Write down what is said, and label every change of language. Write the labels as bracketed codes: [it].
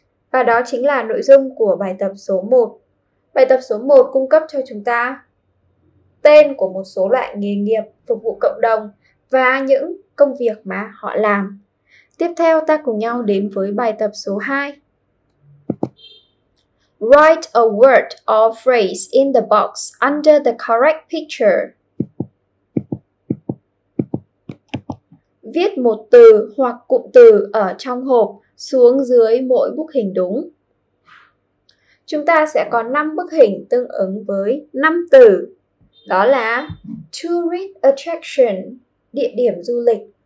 [vi] Và đó chính là nội dung của bài tập số 1. Bài tập số 1 cung cấp cho chúng ta tên của một số loại nghề nghiệp phục vụ cộng đồng và những công việc mà họ làm. Tiếp theo ta cùng nhau đến với bài tập số 2. [en] Write a word or phrase in the box under the correct picture. [vi] Viết một từ hoặc cụm từ ở trong hộp xuống dưới mỗi bức hình đúng. Chúng ta sẽ có 5 bức hình tương ứng với 5 từ. Đó là tourist attraction, địa điểm du lịch.